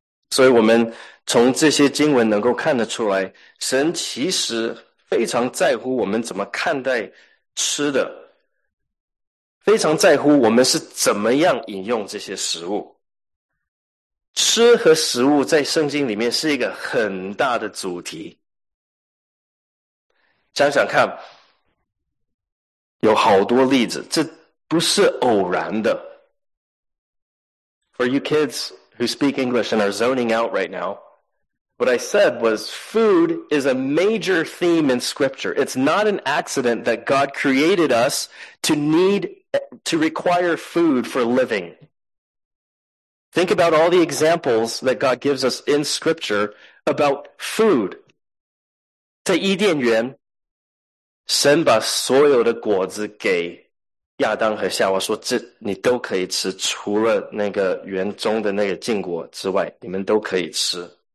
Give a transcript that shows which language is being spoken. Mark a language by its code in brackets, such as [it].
[zh] 所以我们从这些经文能够看得出来，神其实非常在乎我们怎么看待吃的，非常在乎我们是怎么样饮用这些食物。吃和食物在圣经里面是一个很大的主题。想想看，有好多例子，这不是偶然的。 [en] For you kids who speak English and are zoning out right now, what I said was food is a major theme in Scripture. It's not an accident that God created us to require food for living. Think about all the examples that God gives us in Scripture about food. [zh] 在伊甸园，神把所有的果子给亚当和夏娃说，这你都可以吃，除了那个园中的那个禁果之外，你们都可以吃。